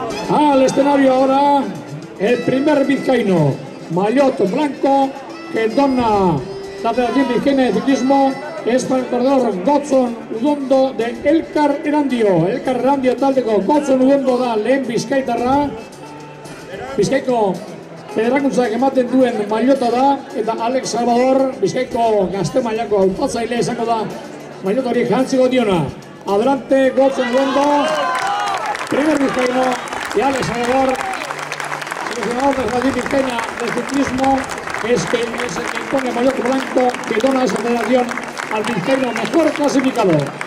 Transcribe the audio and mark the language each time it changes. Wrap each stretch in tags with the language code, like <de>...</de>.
<es>Al escenario ahora, el primer vizcaíno, maillot blanco, que dona la Federación Vizcaína de Ciclismo, es para el corredor Gotzon Udondo de Elkar Erandio.</es> <eu>Elkar Erandio, tal de Gotzon Udondo da lehen bizkaitarra, bizkaiko federakuntzak ematen duen maillota da eta Alex Salvador, Bizkaiko gazte mailako hautatzaile izango da maillota hori jantziko diona.</eu> <es>Adelante, Gotzen Duendo, primer bizkaino, y Alex Salvador, seleccionador de Federación Bizkaina de Ciclismo, es el que impone maillot blanco que dona esa federación al bizkaino mejor clasificado.</es>